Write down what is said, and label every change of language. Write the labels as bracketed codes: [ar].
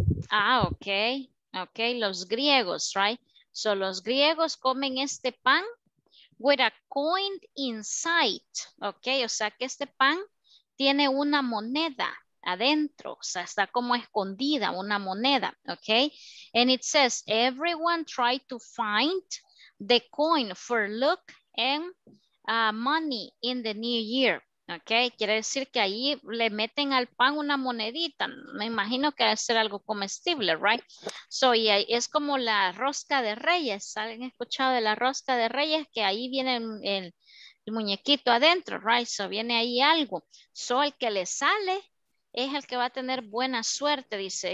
[es] Ah, okay. Okay, los griegos, right? So los griegos comen este pan [en] with a coin inside. [es] Okay, o sea que este pan tiene una moneda adentro, o sea, está como escondida una moneda, ok. [en] And it says, everyone try to find the coin for luck and money in the new year. [es] Ok, quiere decir que ahí le meten al pan una monedita. Me imagino que debe ser algo comestible, right? So, y es como la rosca de reyes. ¿Alguien ha escuchado de la rosca de reyes? Que ahí viene el muñequito adentro, right? So, viene ahí algo. So, el que le sale es el que va a tener buena suerte, dice.